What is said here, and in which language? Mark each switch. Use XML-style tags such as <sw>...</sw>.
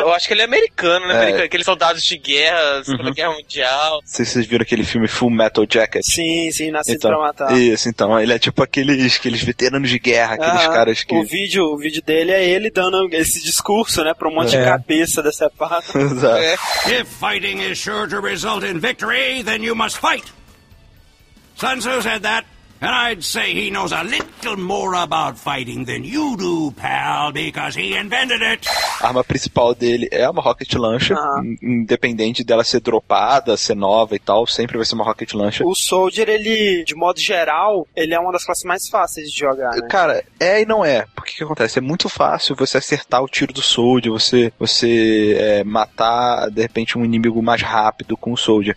<pt>Eu acho que ele é americano, né? Americano, aqueles soldados de guerra, Segunda Guerra Mundial. Não sei se vocês viram aquele filme Full Metal Jacket. Sim, Nascido pra Matar. Isso, então, ele é tipo aqueles veteranos de guerra, aqueles caras que... O vídeo dele é ele dando esse discurso, né, pra um monte de cabeça dessa parte. Exato.</pt> <en>If fighting is sure to result in victory, then you must fight. Sun Tzu said that, and I'd say he knows a little more about fighting than you do, pal, because he invented it.</en> <pt>arma principal dele é uma Rocket Launcher, independente dela ser dropada, ser nova e tal, sempre vai ser uma Rocket Launcher. O Soldier, ele, de modo geral, ele é uma das classes mais fáceis de jogar, né? Cara, é e não é. Por que que acontece? É muito fácil você acertar o tiro do Soldier, você matar, de repente, um inimigo mais rápido com o Soldier.</pt>